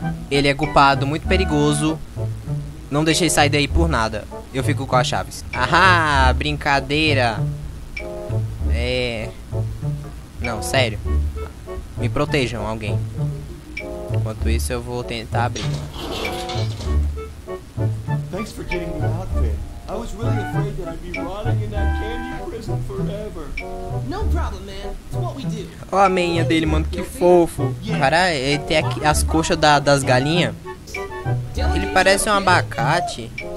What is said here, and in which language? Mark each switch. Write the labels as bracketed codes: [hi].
[pt] Ele é culpado, muito perigoso. Não deixe ele sair daí por nada. Eu fico com as chaves. Ahá, brincadeira. Não, sério. Me protejam, alguém. Enquanto isso, eu vou tentar abrir. [en] Thanks for getting me out of it. I was really afraid that I'd be rotting in that candy prison forever. No problem, man. It's what we do. [pt] Ó a meinha dele, mano, que fofo. Cara, ele tem aqui as coxas das galinhas. Ele parece um abacate.